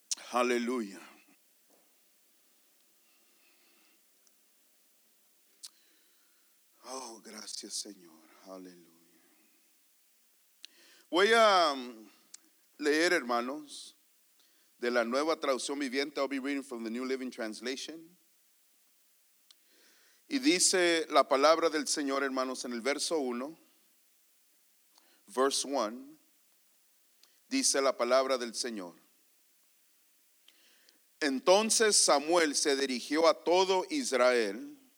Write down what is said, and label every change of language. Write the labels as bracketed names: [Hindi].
[English] Hallelujah. [Spanish] Oh, gracias, Señor. Aleluya. Voy a leer, hermanos, de la Nueva Traducción Viviente. [English] I'll be reading from the New Living Translation. [Spanish] Y dice la palabra del Señor, hermanos, en el verso 1. [English] Verse 1. [Spanish] Dice la palabra del Señor. Entonces Samuel se dirigió a todo Israel.